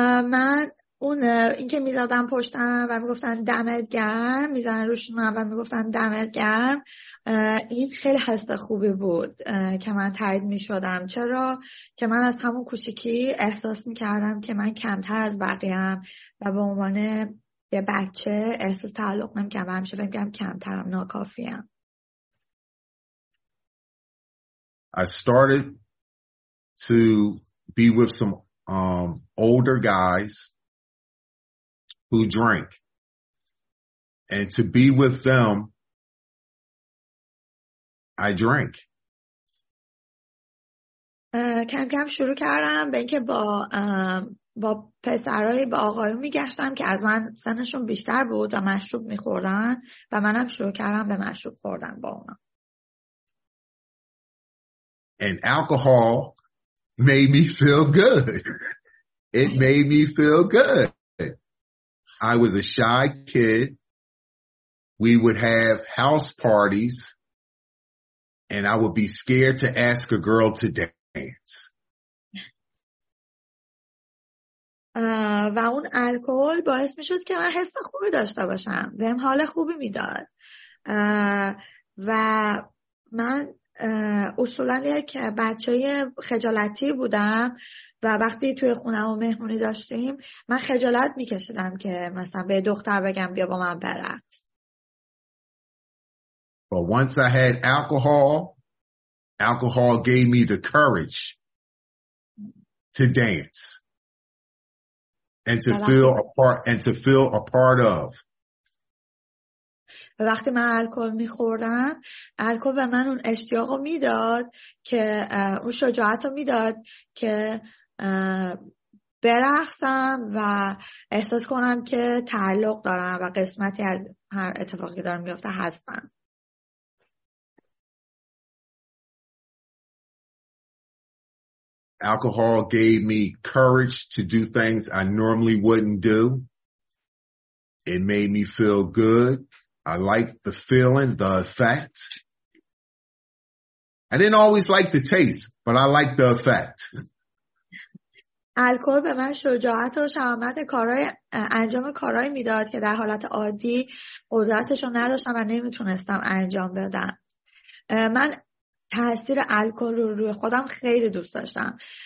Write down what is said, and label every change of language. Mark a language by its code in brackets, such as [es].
[fa] من اون این که میزدم پشتم و میگفتن دمت گرم میزدن روشونم و میگفتن دمت گرم این خیلی حس خوبی بود که من تایید میشدم. چرا؟ که من از همون کوچیکی احساس میکردم که من کمتر از بقیه‌ام و به عنوان یه بچه احساس تعلق نمیکردم و همیشه بگم کمترم، ناکافیم. [en] I started to be with some older guys who drank. And to be with them, I drank. [fa] کم کم شروع کردم به اینکه با پسرهای با آقایون میگشتم که از من سنشون بیشتر بود و مشروب میخوردن و منم شروع کردم به مشروب خوردن با اونا. [en] And alcohol made me feel good. It made me feel good. I was a shy kid. We would have house parties, and I would be scared to ask a girl to dance. [fa] و اون الکل باعث می شد که من حس خوبی داشته باشم. بهم حال خوبی می داد. و من اصولاً یک بچه خجالتی بودم و وقتی توی خونه و مهمونی داشتیم من خجالت میکشیدم که مثلا به دختر بگم بیا با من برقص. [en] But once I had alcohol gave me the courage to dance and to feel a part of. [fa] و وقتی من الکل میخوردم الکل به من اون اشتیاق رو میداد که اون شجاعت رو میداد که برقصم و احساس کنم که تعلق دارم و قسمتی از هر اتفاقی که دارم میفته هستم. [en] Alcohol gave me courage to do things I normally wouldn't do. It made me feel good. I liked the feeling, the effect. I didn't always like the taste, but I liked the effect. [fa] الکل به من شجاعت و شجاعت کارهای انجام کارهای میداد که در حالت عادی قدرتش رو نداشتم و نمیتونستم انجام بدم. من تاثیر الکل رو روی خودم خیلی دوست داشتم.